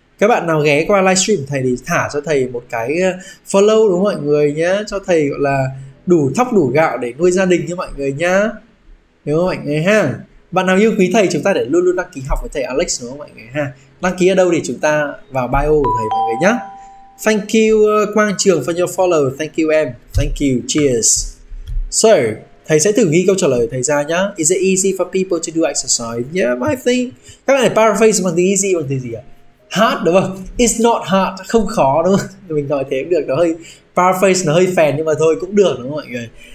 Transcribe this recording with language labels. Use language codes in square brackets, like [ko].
[vi] Các bạn nào ghé qua livestream thầy thì thả cho thầy một cái follow đúng không mọi người nhé, cho thầy gọi là đủ thóc đủ gạo để nuôi gia đình như mọi người nhá, đúng không mọi người ha. Bạn nào yêu quý thầy chúng ta để luôn luôn đăng ký học với thầy Alex đúng không mọi người ha. Đăng ký ở đâu thì chúng ta vào bio của thầy mọi người nhá. [en] Thank you Quang Trường for your follow. Thank you em. Thank you. Cheers. [vi] So, thầy sẽ thử ghi câu trả lời của thầy ra nhá. [en] Is it easy for people to do exercise? Yeah, I think. [vi] Các bạn phải paraphrase bằng từ easy bằng từ gì ạ? Hard đúng không? [en] It's not hard, [vi] không khó đúng không? Mình nói thế cũng được, nó hơi paraphrase, nó hơi phèn nhưng mà thôi cũng được đúng không mọi người?